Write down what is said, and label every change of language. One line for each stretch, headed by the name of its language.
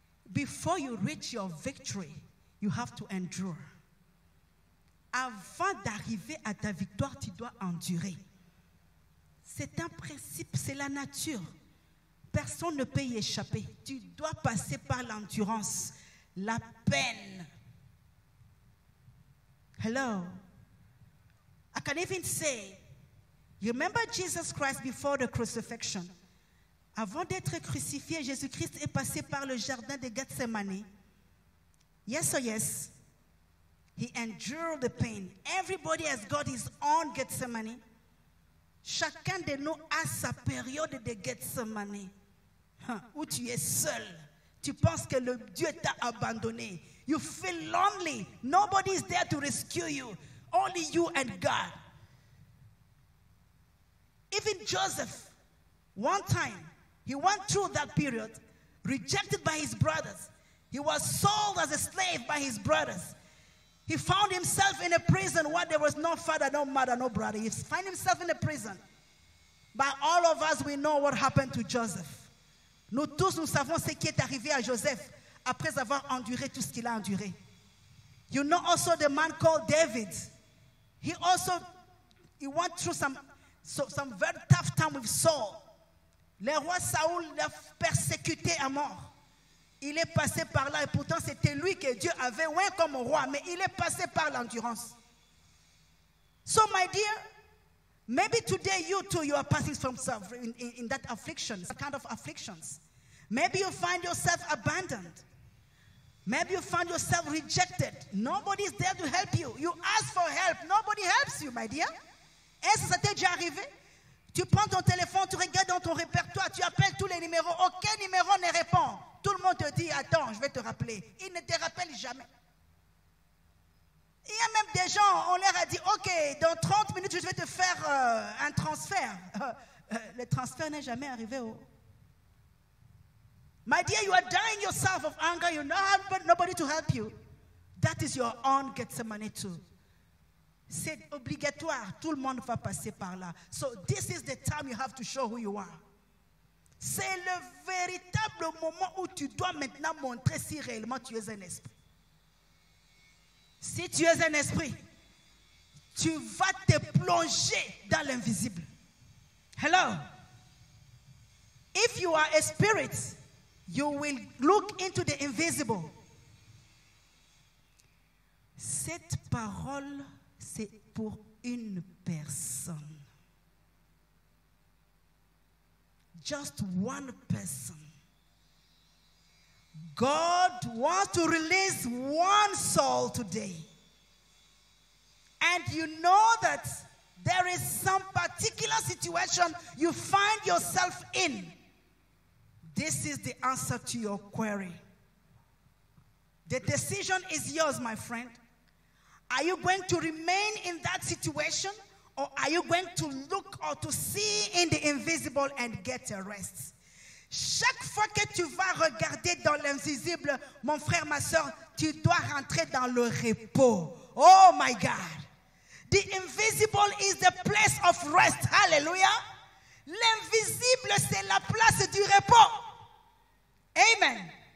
English: Before you reach your victory, you have to endure.
French: Avant d'arriver à ta victoire, tu dois endurer. C'est un principe, c'est la nature. Personne ne peut y échapper. Tu dois passer par l'endurance, la peine.
English: Hello. I can even say, you remember Jesus Christ before the crucifixion?
French: Avant d'être crucifié, Jésus-Christ est passé par le jardin de Gethsemane.
English: Yes or yes? He endured the pain. Everybody has got his own Gethsemane.
French: Chacun de nous a sa période de Gethsemane. Où tu es seul. Tu penses que le Dieu t'a abandonné.
English: You feel lonely. Nobody is there to rescue you. Only you and God. Even Joseph, one time, he went through that period, rejected by his brothers. He was sold as a slave by his brothers. He found himself in a prison where there was no father, no mother, no brother. He found himself in a prison. But all of us, we know what happened to Joseph.
French: Nous tous, nous savons ce qui est arrivé à Joseph après avoir enduré tout ce qu'il a enduré.
English: You know also the man called David. He went through some very tough time with Saul.
French: Le roi Saul l'a persécuté à mort. Il est passé par là et pourtant c'était lui que Dieu avait oint comme roi, mais il est passé par l'endurance.
English: So my dear, maybe today you too, you are passing from in that affliction, some kind of afflictions. Maybe you find yourself abandoned. Maybe you find yourself rejected. Nobody is there to help you. You ask for help. Nobody helps you, my dear.
French: Est-ce que ça t'est déjà arrivé? Tu prends ton téléphone, tu regardes dans ton répertoire, tu appelles tous les numéros. Aucun numéro ne répond. Tout le monde te dit, attends, je vais te rappeler. Il ne te rappelle jamais. Il y a même des gens, on leur a dit, ok, dans 30 minutes, je vais te faire un transfert. Le transfert n'est jamais arrivé.
English: My dear, you are dying yourself of anger. You don't have nobody to help you. That is your own Gethsemane too.
French: C'est obligatoire. Tout le monde va passer par là.
English: So this is the time you have to show who you are.
French: C'est le véritable moment où tu dois maintenant montrer si réellement tu es un esprit. Si tu es un esprit, tu vas te plonger dans l'invisible.
English: Hello? If you are a spirit, you will look into the invisible.
French: Cette parole, c'est pour une personne.
English: Just one person. God wants to release one soul today. And you know that there is some particular situation you find yourself in. This is the answer to your query. The decision is yours, my friend. Are you going to remain in that situation or are you going to look or to see in the invisible and get a rest?
French: Chaque fois que tu vas regarder dans l'invisible, mon frère, ma soeur, tu dois rentrer dans le repos.
English: Oh my God. The invisible is the place of rest. Hallelujah.
French: L'invisible, c'est la place du repos. Amen.